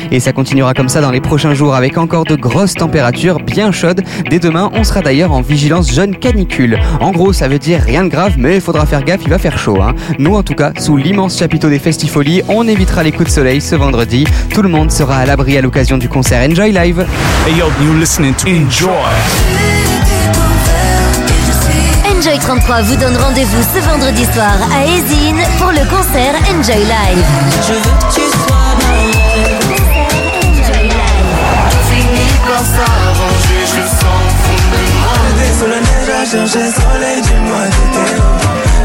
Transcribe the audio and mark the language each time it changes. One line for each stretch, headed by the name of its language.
French: Et ça continuera comme ça dans les prochains jours avec encore de grosses températures bien chaudes. Dès demain, on sera d'ailleurs en vigilance jaune canicule. En gros, ça veut dire rien de grave, mais il faudra faire gaffe, il va faire chaud. Hein. Nous, en tout cas, sous l'immense chapiteau des Festifolies, on évitera les coups de soleil ce vendredi. Tout le monde sera à l'abri à l'occasion du concert Enjoy Live.
English: Hey, yo. You're listening to Enjoy.
French: Enjoy 33 vous donne rendez-vous ce vendredi soir à Aisin pour le concert Enjoy Live. Je veux que tu sois dans Enjoy Live. Tout finit par s'arranger, je sens fondre. Désolé, neige à chercher, soleil, dis-moi,